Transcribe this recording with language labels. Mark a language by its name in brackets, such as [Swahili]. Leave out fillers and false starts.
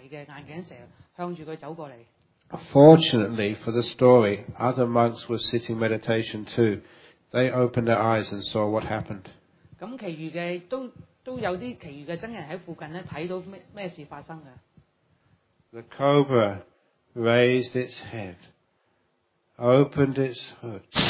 [Chinese] 他聽到動物走過來，大隻眼，看到一隻很大的眼鏡蛇向著他走過來。 [English] Fortunately for the story, other monks were sitting meditation too. They opened their eyes and saw what happened. [Chinese] 其余的僧人在附近看到什么事发生的。 [English] The cobra raised its head, opened its hood.